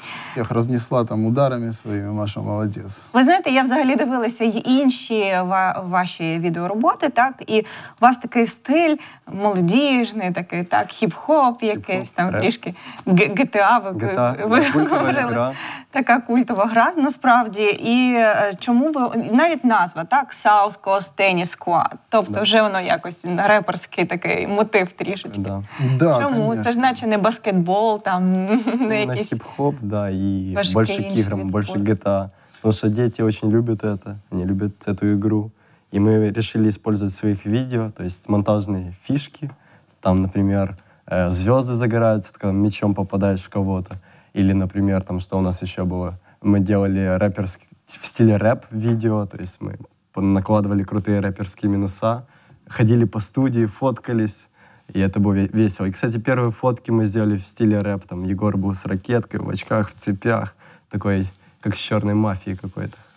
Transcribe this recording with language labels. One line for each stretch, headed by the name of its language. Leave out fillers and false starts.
Russian: всіх рознесла там ударами своїми, Маша, молодець.
Ukrainian: Ви знаєте, я взагалі дивилася й інші ваші відеороботи, так? І у вас такий стиль молодіжний, такий, так, хіп-хоп якийсь, хіп-хоп, там, трішки GTA, ви говорили. Така культова гра, насправді. І чому ви, навіть назва, так, South Coast Tennis Squad, тобто да. вже воно якось реперський такий мотив трішечки.
Russian: Да. Да,
Ukrainian: чому?
Russian: Конечно.
Ukrainian: Це ж наче не баскетбол, там, не на якісь... хіп-хоп, да, і більше кіграм, більше GTA. Тому що діти дуже люблять це, вони люблять цю ігру. І ми вирішили використовувати своїх відео, тобто монтажні фішки. Там, наприклад, зірки загораються, так, м'ячом попадаєш в
Russian: кого-то. Или, например, там, что у нас еще было, мы делали рэперский в стиле рэп-видео, то есть мы накладывали крутые рэперские минуса, ходили по студии, фоткались, и это было весело. И, кстати, первые фотки мы сделали в стиле рэп, там, Егор был с ракеткой, в очках, в цепях, такой, как с черной мафией какой-то.